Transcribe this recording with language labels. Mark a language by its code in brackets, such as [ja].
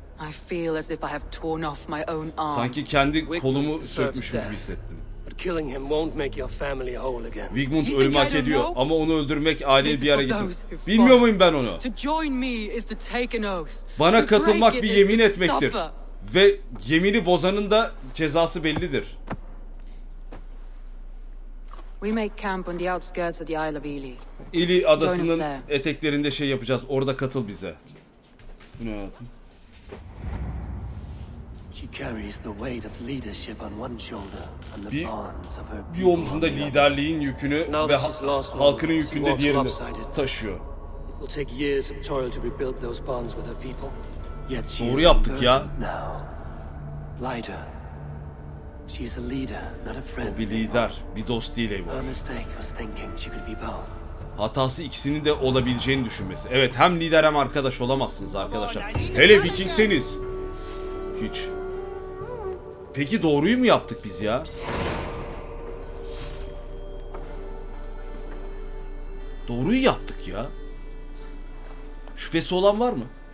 [en] I feel as if I have torn off my own arm. [tr] Sanki kendi kolumu sökmüşüm gibi hissettim. [en] But killing him won't make your family whole again. [tr] Wigmund ölümü hak ediyor ama onu öldürmek aileyi bir yere getirir. Bilmiyor muyum ben onu? [en] To join me is to take an oath. [tr] Bana katılmak bir yemin etmektir. Ve yemini bozanın da cezası bellidir. [en] We make camp on the outskirts of the Isle of Ely. [tr] Ely adasının eteklerinde şey yapacağız. Orada katıl bize. Bu ne hayatım? [en] She carries the weight of leadership on one shoulder and the bonds of her people. [tr] Bir omzunda liderliğin yükünü ve halkının yükünü de diğerini taşıyor. [en] It will take years of toil to rebuild those bonds with her people. Yet she [tr] doğru yaptık ya. Lider. [en] She is a leader, not a friend. [tr] O bir lider, bir dost değil Eivor. [en] Her mistake was thinking she could be both. [tr] Hatası ikisinin de olabileceğini düşünmesi. Evet, hem lider hem arkadaş olamazsınız arkadaşlar. Hele Vikingseniz. Hiç. Peki doğruyu mu yaptık biz ya? Doğruyu yaptık ya. Şüphesi olan var mı?